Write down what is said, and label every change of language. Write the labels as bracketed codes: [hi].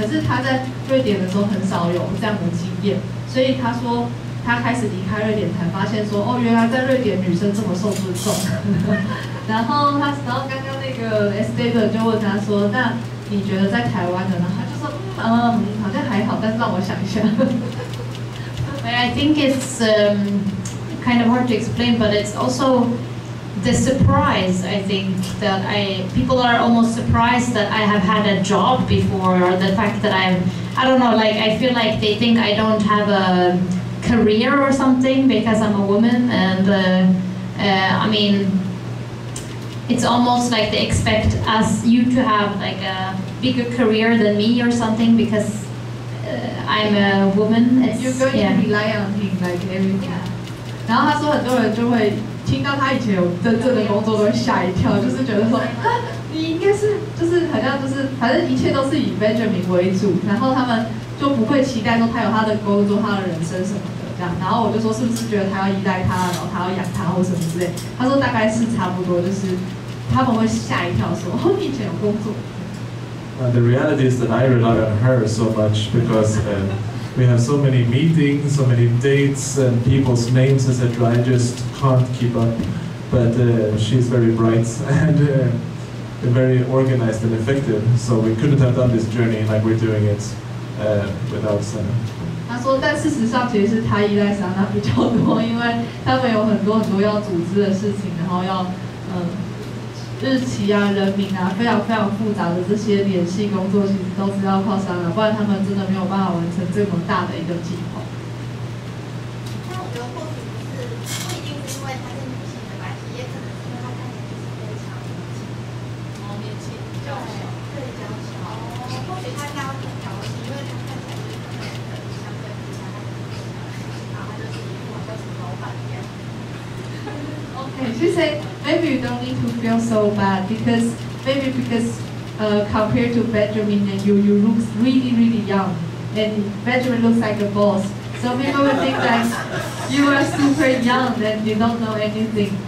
[zh] 可是他在瑞典的时候很少有这样的经验，所以他说他开始离开瑞典才发现说，哦，原来在瑞典女生这么受尊重。然后刚刚那个 Esteban 就问他说，那你觉得在台湾的呢？他就说好像还好，但是让我想一下。 [en] I think it's kind of hard to explain, but it's also the surprise, I think, that people are almost surprised that I have had a job before, or the fact that I feel like they think I don't have a career or something because I'm a woman, and I mean, it's almost like they expect us, you to have like a bigger career than me or something because I'm a woman. You're going to rely on him, like everything. Yeah. [zh] 然后他说很多人就会听到他以前有真正的工作都会吓一跳，就是觉得说，你应该是就是好像就是反正一切都是以 Benjamin 为主，然后他们就不会期待说他有他的工作、他的人生什么的这样。然后我就说是不是觉得他要依赖他，然后他要养他或什么之类。他说大概是差不多，就是他们会吓一跳说，哦，你以前有工作。 [en] The reality is that I rely on her so much because we have so many meetings, so many dates, and people's names, etc. I just can't keep up. But she's very bright and very organized and effective. So we couldn't have done this journey like we're doing it without Sanna. [zh] 他说，但事实上其实是他依赖 Sanna 比较多，因为他们有很多很多要组织的事情，然后要日期啊、人名啊，非常非常复杂的这些联系工作，其实都是要靠Sanna，不然他们真的没有办法完成这么大的一个计划。但我觉得或许不是，不一定是因为她是女性的关系，也可能是因为她看起来就是非常年轻，年轻娇小，对，娇小。或许她家庭条件，因为她看起来就是很相对比较很年轻，然后她就是一副好像是老板一样。 OK， 谢谢。 [en] Maybe you don't need to feel so bad because maybe because compared to Benjamin and you look really, really young and Benjamin looks like a boss. So people will think that you are super young and you don't know anything.